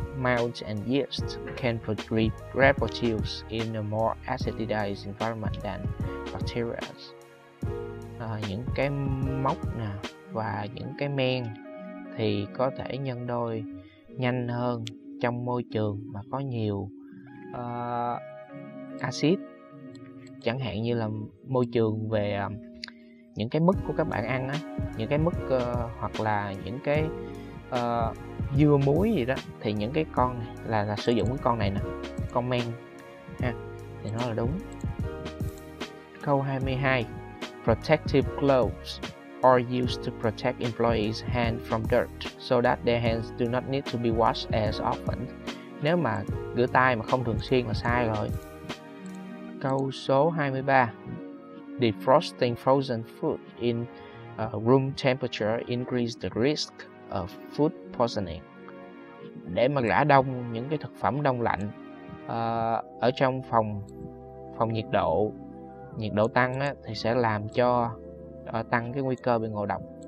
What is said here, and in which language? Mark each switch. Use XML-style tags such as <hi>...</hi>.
<en>Malt and yeast can reproduce in a more acidized environment than bacteria.</en> <vi>Những cái mốc nè và những cái men thì có thể nhân đôi nhanh hơn trong môi trường mà có nhiều acid, chẳng hạn như là môi trường về những cái mức của các bạn ăn á, những cái mức hoặc là những cái dưa muối gì đó, thì những cái con này là sử dụng cái con này nè, con men ha, thì nó là đúng. Câu 22.</vi> <en>Protective gloves are used to protect employees' hands from dirt so that their hands do not need to be washed as often.</en> <vi>Nếu mà rửa tay mà không thường xuyên là sai rồi. Câu số 23.</vi> <en>Defrosting frozen food in room temperature increases the risk of food poisoning.</en> <vi>Để mà rã đông những cái thực phẩm đông lạnh ở trong phòng nhiệt độ tăng á, thì sẽ làm cho tăng cái nguy cơ bị ngộ độc.</vi>